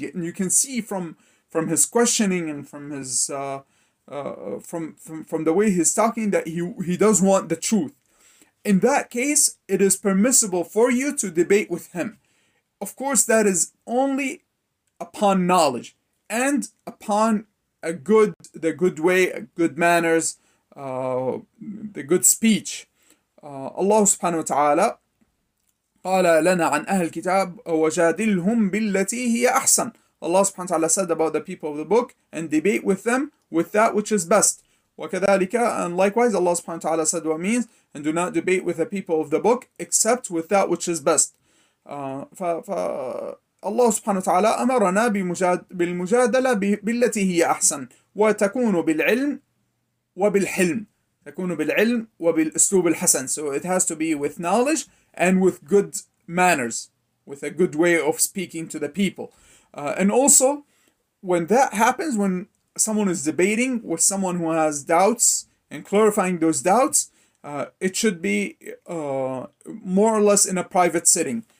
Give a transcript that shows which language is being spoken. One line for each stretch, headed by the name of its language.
English: And you can see from his questioning and from his from the way he's talking that he does want the truth. In that case, it is permissible for you to debate with him. Of course, that is only upon knowledge and upon a good manners, the good speech.
Arabic: Allah subhanahu wa ta'ala قال لنا عن أهل الكتاب وجادلهم بالتي هي أحسن.
English: Allah subhanahu wa ta'ala said about the people of the book, and debate with them with that which is best. وكذلك, and likewise, Allah subhanahu wa ta'ala said what means, and do not debate with the people of the book except with that which is best.
Arabic: فالله سبحانه وتعالى أمرنا بالمجادلة بالتي هي أحسن وتكون بالعلم وبالحلم, تكون بالعلم وبالأسلوب الحسن.
English: So it has to be with knowledge and with good manners, with a good way of speaking to the people. And also, when that happens, when someone is debating with someone who has doubts and clarifying those doubts, It should be more or less in a private setting.